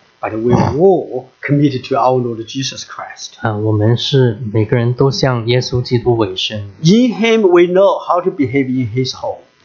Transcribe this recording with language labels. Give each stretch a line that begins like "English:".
English: but we are all committed to our Lord Jesus Christ.
Chinese: 我们是每个人都向耶稣基督委身。
English: In him we know how to behave in his home.